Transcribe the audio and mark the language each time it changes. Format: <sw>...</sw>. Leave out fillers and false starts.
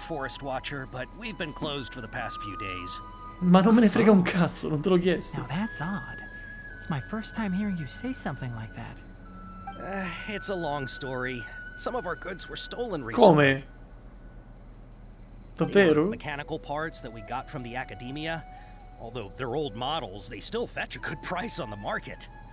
<en>Forest Watcher, but we've been closed for the past few days.</en> <it>Ma non me ne frega un cazzo, non te l'ho chiesto.</it> <en>Now that's odd. It's my first time hearing you say something like that. It's a long story. Some of our goods were stolen recently.</en> <it>Come? Davvero?</it> <en>The mechanical parts that we got from the academia. Although they're old models, they still fetch a good price on the market.</en>